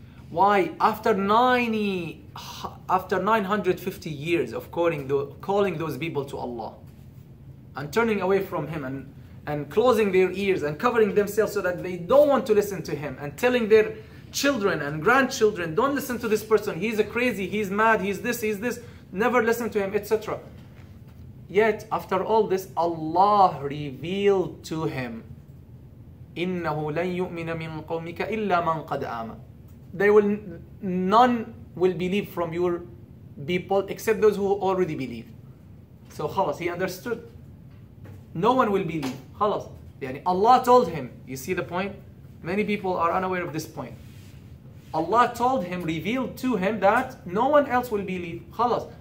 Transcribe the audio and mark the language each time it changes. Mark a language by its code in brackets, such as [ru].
[en] Why after 950 years of calling those people to Allah and turning away from him and closing their ears and covering themselves so that they don't want to listen to him and telling their children and grandchildren, don't listen to this person, he's a crazy, he's mad, he's this, never listen to him, etc. [ar] Yet after all this, Allah revealed to him, إِنَّهُ لَنْ يُؤْمِنَ مِنْ قَوْمِكَ إِلَّا مَنْ قَدْ آمَنَ. [en] None will believe from your people except those who already believe. So khalas, he understood. No one will believe. Khalas. Yani Allah told him, you see the point? Many people are unaware of this point. Allah told him, revealed to him that no one else will believe. Khalas.